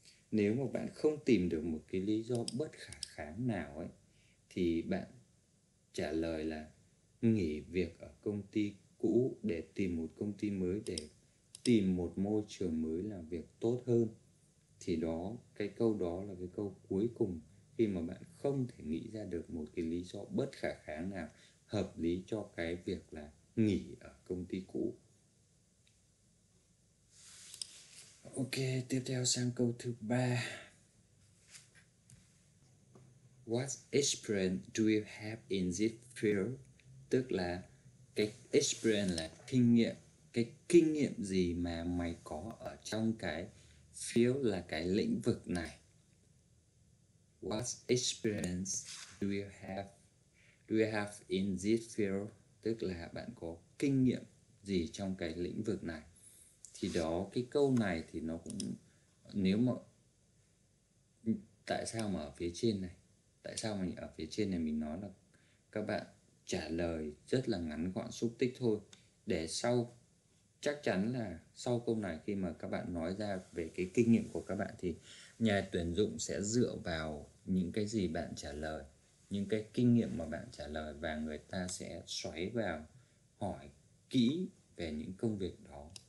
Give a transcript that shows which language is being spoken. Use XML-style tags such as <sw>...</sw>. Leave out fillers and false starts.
<vi>nếu mà bạn không tìm được một cái lý do bất khả kháng nào ấy thì bạn trả lời là nghỉ việc ở công ty cũ để tìm một công ty mới, để tìm một môi trường mới làm việc tốt hơn, thì đó cái câu đó là cái câu cuối cùng khi mà bạn không thể nghĩ ra được một cái lý do bất khả kháng nào hợp lý cho cái việc là nghỉ ở công ty cũ. Ok, tiếp theo sang câu thứ 3.</vi> <en>What experience do you have in this field?</en> <vi>Tức là cái experience là kinh nghiệm. Cái kinh nghiệm gì mà mày có ở trong cái field là cái lĩnh vực này?</vi> <en>What experience do you have in this field?</en> <vi>Tức là bạn có kinh nghiệm gì trong cái lĩnh vực này? Thì đó, cái câu này thì nó cũng, nếu mà tại sao mà ở phía trên này, tại sao mình ở phía trên này mình nói là các bạn trả lời rất là ngắn gọn xúc tích thôi, để sau chắc chắn là sau câu này khi mà các bạn nói ra về cái kinh nghiệm của các bạn thì nhà tuyển dụng sẽ dựa vào những cái gì bạn trả lời, những cái kinh nghiệm mà bạn trả lời, và người ta sẽ xoáy vào hỏi kỹ về những công việc đó.</vi>